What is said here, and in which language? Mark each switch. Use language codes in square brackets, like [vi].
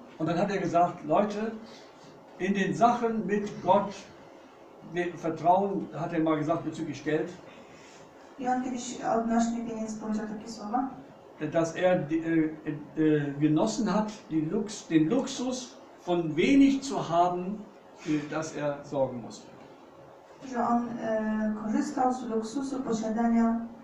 [de] Und dann hat er gesagt, Leute, in den Sachen mit Gott, mit Vertrauen, hat er mal gesagt bezüglich Geld. [pl] I on kiedyś odnośnie pieniędzy powiedział takie słowa. [de] Dass er genossen hat, den Luxus von wenig zu haben, für das er sorgen musste. [pl] Że on korzystał z luksusu posiadania.